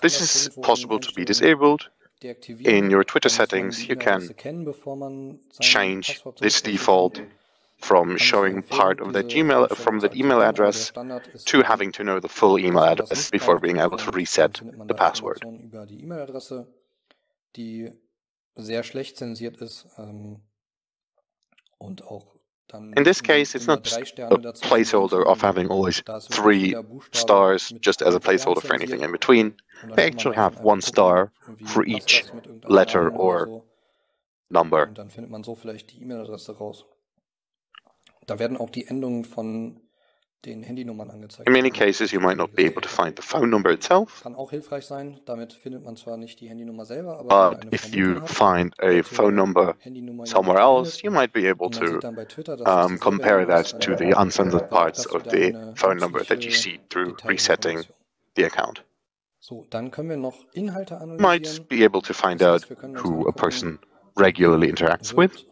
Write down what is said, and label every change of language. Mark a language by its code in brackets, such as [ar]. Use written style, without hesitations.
[en] this is possible to be disabled. In your Twitter settings, you can change this default from showing part of that Gmail from that email address to having to know the full email address before being able to reset the password. [de] Über die E-Mail-Adresse, die sehr schlecht zensiert ist, und auch dann [en] in this case, it's not just a placeholder of having always three stars just as a placeholder for anything in between. They actually have one star for each letter or number. [de] Und dann findet man so vielleicht die E-Mail-Adresse raus. Da werden auch die Endungen von den Handynummern angezeigt. [en] In many cases you might not be able to find the phone number itself. [de] Kann auch hilfreich sein, damit findet man zwar nicht die Handynummer selber, aber [en] but [de] eine [en] if you find a phone number somewhere else, you might be able to Twitter, compare that to the uncensored parts of the phone number that you see through resetting the account. [de] So, dann können wir noch Inhalte analysieren. [en] You might be able to find out who a person regularly interacts with,